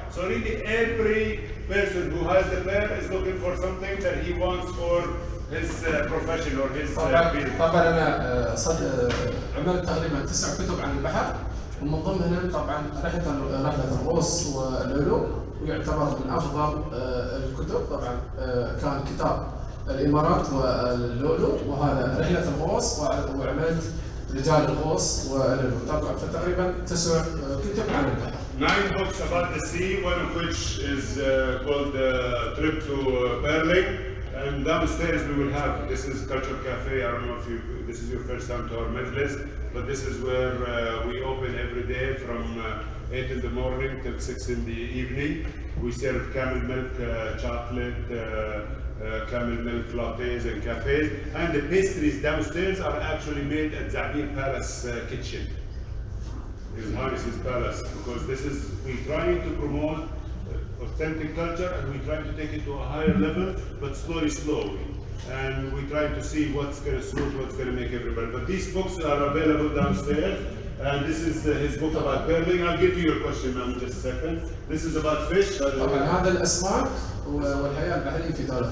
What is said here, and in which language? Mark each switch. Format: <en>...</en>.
<en>So really every person who has the pair is looking for something that he wants for his profession or his business. I wrote 9 books on the sea, and among them, of course, I wrote the Ross and Lulu.</en> <ar>ويعتبر من افضل الكتب طبعا كان كتاب الامارات واللؤلؤ وهذا رحله الغوص وعملت رجال الغوص واللؤلؤ طبعا فتقريبا 9 كتب عن البحر.</ar> <en>9 books about the sea, one of which is called Trip to Pearling. And downstairs we will have this is Culture Cafe. I don't know if you, this is your first time to our majlis, but this is where we open every day from 8 in the morning till 6 in the evening. We serve camel milk, chocolate, camel milk lattes and cafes. And the pastries downstairs are actually made at Zabir Palace kitchen. His Highness's Palace. Because this is, we're trying to promote authentic culture and we're trying to take it to a higher level, but slowly. and we try to see what's going to suit, what's going to make everybody. But these books are available downstairs, and this is his book about birding. I'll give you your question in just a second. This is about fish.</en> <ar>طبعا هذا الأسماك والحياة البحرية في طرف</ar>